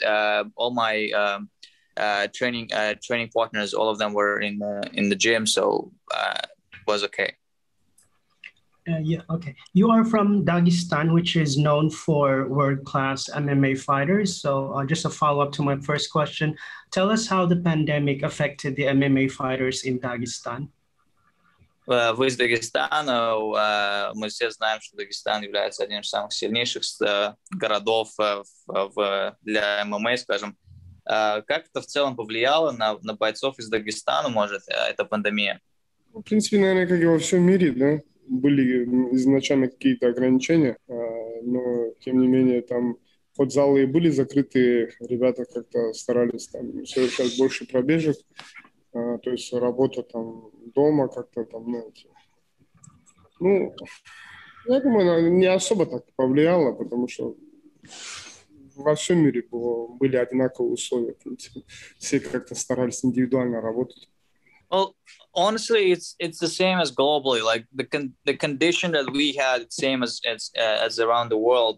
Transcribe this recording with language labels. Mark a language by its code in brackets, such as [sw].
[en] All my training partners, all of them were in the gym, so it was okay. Yeah, okay. You are from Dagestan, which is known for world-class MMA fighters. So just a follow-up to my first question. Tell us how the pandemic affected the MMA fighters in Dagestan. [ru] Вы из Дагестана. Мы все знаем, что Дагестан является одним из самых сильнейших городов для MMA, скажем. Как это в целом повлияло на бойцов из Дагестана, может, эта пандемия? В принципе, наверное, как и во всем мире, да, были изначально какие-то ограничения, но, тем не менее, там хоть залы и были закрыты, ребята как-то старались там совершать больше пробежек, то есть работа там дома как-то там, знаете. Ну, я думаю, она не особо так повлияла, потому что во всем мире были одинаковые условия, в принципе. Все как-то старались индивидуально работать. [en] Well, honestly, it's the same as globally. Like the condition that we had, same as around the world.